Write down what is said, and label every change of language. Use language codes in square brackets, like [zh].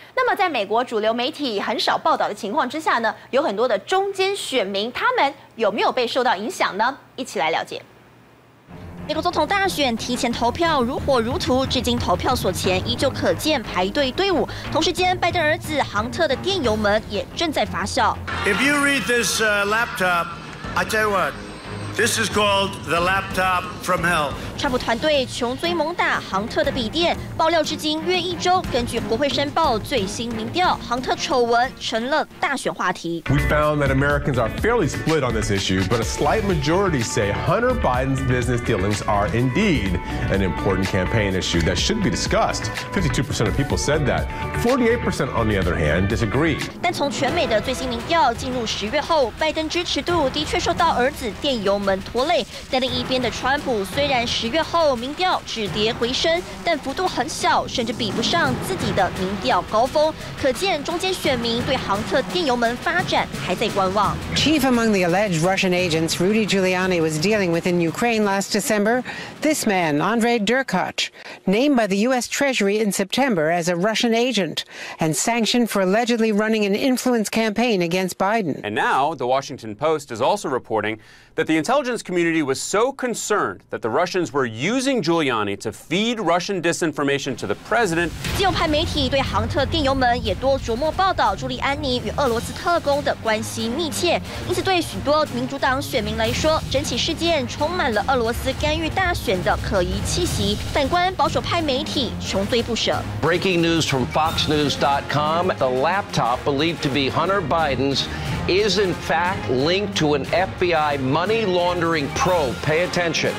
[zh] 那么在美国主流媒体很少报道的情况之下呢，有很多的中间选民，他们有没有被受到影响呢？一起来了解。美国总统大选提前投票如火如荼，至今投票所前依旧可见排队队伍。同时间，拜登儿子杭特的电油门也正在发酵。 [en] If you read this laptop, I tell you what, this is called the laptop from hell. [zh] 川普团队穷追猛打杭特的笔电，爆料至今约一周。根据国会申报最新民调，杭特丑闻成了大选话题。 [en] We found that Americans are fairly split on this issue, but a slight majority say Hunter Biden's business dealings are indeed an important campaign issue that should be discussed. 52% of people said that. 48% on the other hand disagree. [zh] 但从全美的最新民调进入十月后，拜登支持度的确受到儿子电油门拖累。在另一边的川普虽然十月后民调止跌回升，但幅度很小，甚至比不上自己的民调高峰，可见中间选民对杭特电油门发展还在观望。 [en] Chief among the alleged Russian agents Rudy Giuliani was dealing with in Ukraine last December, this man Andrei Derkach, named by the U.S. Treasury in September as a Russian agent and sanctioned for allegedly running an influence campaign against Biden. And now the Washington Post is also reporting that the intelligence community was so concerned that the Russians were using Giuliani to feed Russian disinformation to the president. [zh] 自由派媒体对杭特电油门也多琢磨报道朱利安尼与俄罗斯特工的关系密切，因此对许多民主党选民来说，整起事件充满了俄罗斯干预大选的可疑气息。反观保守派媒体穷追不舍。 [en] Breaking news from FoxNews.com: the laptop believed to be Hunter Biden's is in fact linked to an FBI money laundering probe. Pay attention.